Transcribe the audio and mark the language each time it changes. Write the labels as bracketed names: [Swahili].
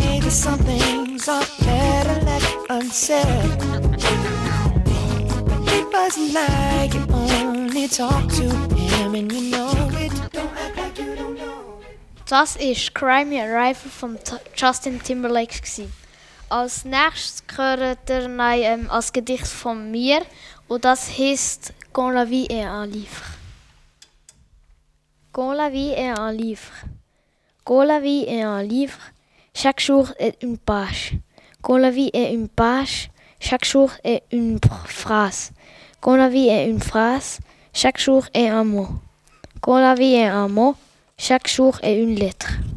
[English] some things are better left unsaid. He doesn't like you, only talk to him and you know it. Don't act like you don't know. [German] Das ist Cry Me a River von Justin Timberlake gewesen. Als nächstes gehört er als Gedicht von mir und das heisst Quand la vie est un livre. [French] Quand la vie est un livre. Quand la vie est un livre, chaque jour est une page. Quand la vie est une page, chaque jour est une phrase. Quand la vie est une phrase, chaque jour est un mot. Quand la vie est un mot, chaque jour est une lettre.